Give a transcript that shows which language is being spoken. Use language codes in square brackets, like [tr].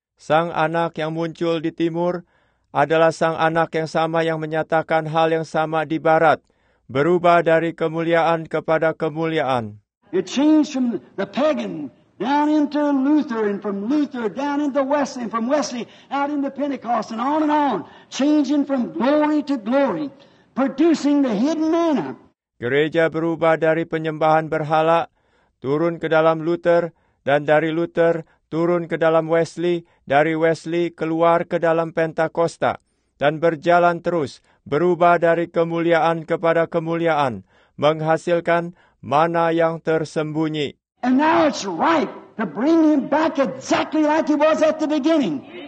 [id] Sang anak yang muncul di timur adalah sang anak yang sama yang menyatakan hal yang sama di barat, berubah dari kemuliaan kepada kemuliaan. [en] It changed from the pagan down into Luther, and from Luther down into Wesley, and from Wesley out into Pentecost, and on, changing from glory to glory, producing the hidden manna. [id] Gereja berubah dari penyembahan berhala, turun ke dalam Luther, dan dari Luther turun ke dalam Wesley, dari Wesley keluar ke dalam Pentakosta, dan berjalan terus, berubah dari kemuliaan kepada kemuliaan, menghasilkan mana yang tersembunyi. [en] And now it's ripe to bring him back exactly like he was at the beginning.